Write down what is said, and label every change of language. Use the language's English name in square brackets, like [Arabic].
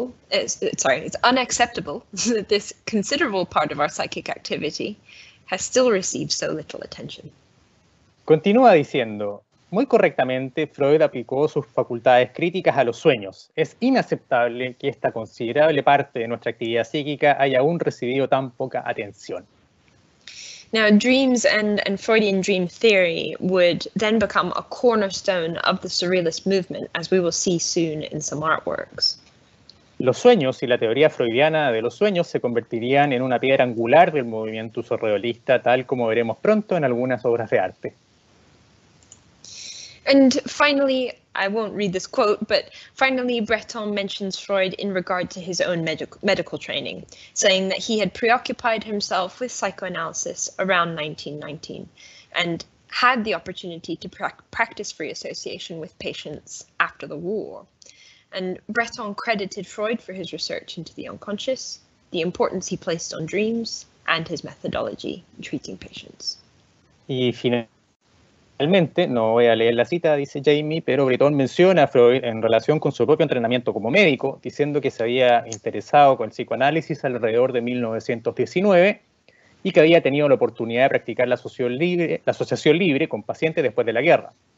[English] It's unacceptable that this considerable part of our psychic activity has still received so little attention." [Spanish] Continúa diciendo, "Muy correctamente, Freud aplicó sus facultades críticas a los sueños. Es inaceptable que esta considerable parte de nuestra actividad psíquica haya aún recibido tan poca atención." [English] Now, dreams and Freudian dream theory would then become a cornerstone of the Surrealist movement, as we will see soon in some artworks. [Spanish] Los sueños y la teoría freudiana de los sueños se convertirían en una piedra angular del movimiento surrealista, tal como veremos pronto en algunas obras de arte. [English] And finally, I won't read this quote, but finally Breton mentions Freud in regard to his own medical training, saying that he had preoccupied himself with psychoanalysis around 1919 and had the opportunity to practice free association with patients after the war. And Breton credited Freud for his research into the unconscious, the importance he placed on dreams, and his methodology in treating patients. [Spanish] Realmente, no voy a leer la cita, dice Jamie, pero Breton menciona a Freud en relación con su propio entrenamiento como médico, diciendo que se había interesado con el psicoanálisis alrededor de 1919 y que había tenido la oportunidad de practicar la asociación libre con pacientes después de la guerra.